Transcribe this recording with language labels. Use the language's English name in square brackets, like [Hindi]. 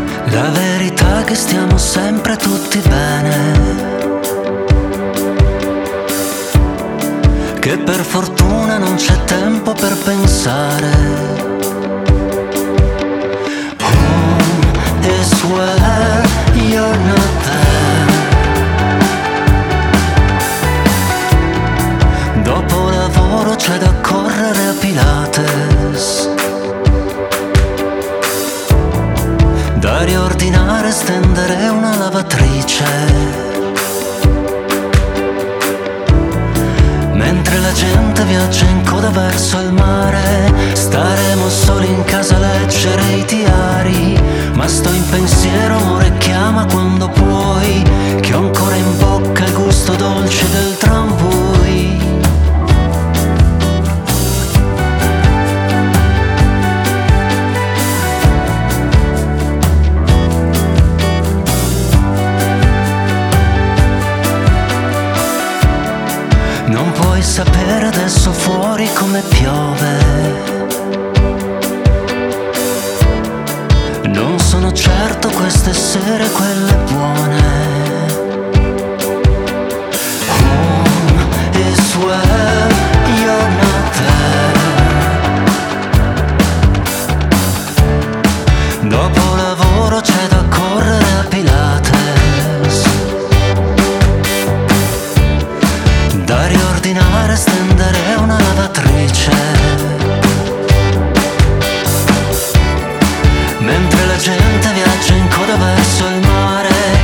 [Italian] La verità è che stiamo sempre tutti bene, che per fortuna non c'è tempo per pensare. [English] Home is where you're not there. [Italian] Dopo lavoro c'è da correre a Pilates, da riordinare e stendere una lavatrice, mentre la gente viaggia in coda verso il mare. Staremo soli in casa a leggere i diari, ma sto in pensiero, amore, chiama quando puoi, che ho ancora in bocca il gusto dolce del tramvai. Non puoi sapere adesso fuori come piove. Non sono certo queste sere quelle buone. [English] Home is where you're not there. [Italian] Dopo lavoro c'è da correre a Pilates, da riordinare e stendere una lavatrice, mentre la gente viaggia in coda verso il mare.